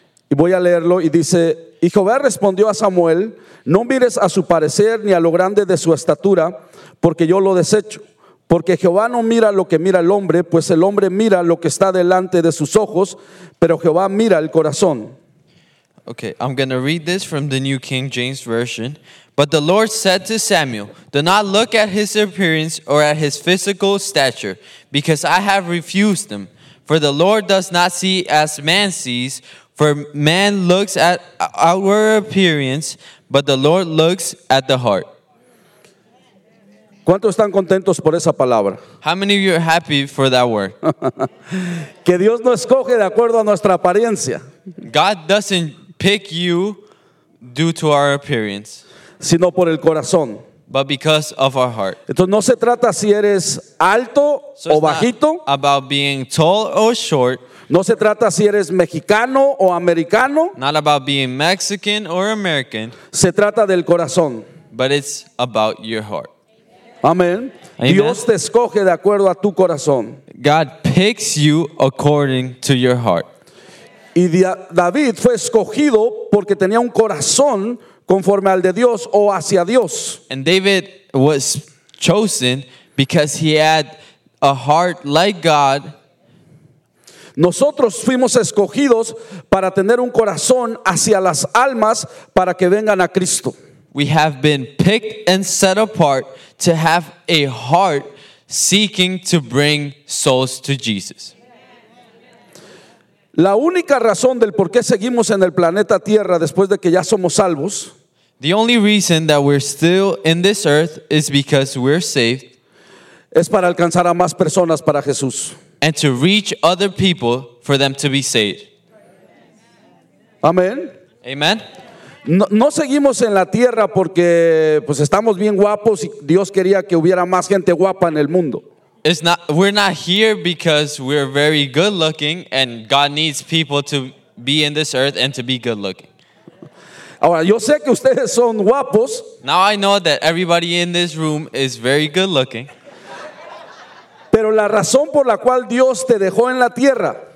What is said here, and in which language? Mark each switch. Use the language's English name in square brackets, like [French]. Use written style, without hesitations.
[Spanish] Y voy a leerlo y dice, y Jehová respondió a Samuel, no mires a su parecer ni a lo grande de su estatura, porque yo lo desecho. Porque Jehová no mira lo que mira el hombre, pues el hombre mira lo que está delante de sus ojos, pero Jehová mira el corazón. [English] Okay, I'm going to read this from the New King James Version. But the Lord said to Samuel, do not look at his appearance or at his physical stature, because I have refused him. For the Lord does not see as man sees. For man looks at outward appearance, but the Lord looks at the heart. [Spanish] ¿Cuántos están contentos por esa palabra? [English] How many of you are happy for that word? [Spanish] Que Dios no escoge de acuerdo a nuestra apariencia. [English] God doesn't pick you due to our appearance. [Spanish] Sino por el corazón. [English] But because of our heart. [Spanish] Entonces no se trata si eres alto [English] so [Spanish] o bajito. [English] Not about being tall or short. [Spanish] No se trata si eres mexicano o americano. [English] Not about being Mexican or American. [Spanish] Se trata del corazón. [English] But it's about your heart. [Spanish] Amén. Dios te escoge de acuerdo a tu corazón. [English] God picks you according to your heart. [Spanish] Y David fue escogido porque tenía un corazón conforme al de Dios o hacia Dios. [English] And David was chosen because he had a heart like God. [Spanish] Nosotros fuimos escogidos para tener un corazón hacia las almas para que vengan a Cristo. [English] We have been picked and set apart to have a heart seeking to bring souls to Jesus. [Spanish] La única razón del por qué seguimos en el planeta Tierra después de que ya somos salvos. [English] The only reason that we're still in this earth is because we're saved. [Spanish] Es para alcanzar a más personas para Jesús. [English] And to reach other people for them to be saved. [Spanish] Amen. [English] Amen. [Spanish] No seguimos en la tierra porque pues estamos bien guapos y Dios quería que hubiera más gente guapa en el mundo. [English] It's not, we're not here because we're very good looking and God needs people to be in this earth and to be good looking. [Spanish] Ahora, yo sé que ustedes son guapos. [English] Now I know that everybody in this room is very good looking. [Spanish] Pero la razón por la cual Dios te dejó en la tierra.